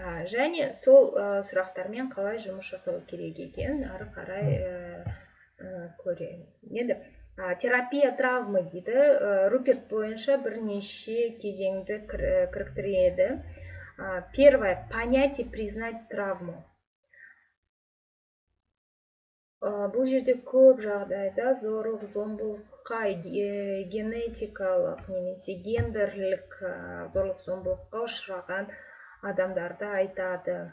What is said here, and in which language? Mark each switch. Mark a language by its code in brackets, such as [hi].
[kk] Және сол сұрақтармен қалай жұмыс жасау керек екен, ары қарай көрейін. Енді [ru] терапия травмы [kk] дейді, Руперт бойынша бірнеше кезеңді кіріктіреді. [ru] Первое, понять и признать травму. [kk] Бұл жерде көп жағдайда зорлық зомбылыққа генетикалық немесе гендерлік зорлық зомбылыққа ұшыраған адамдарды айтады.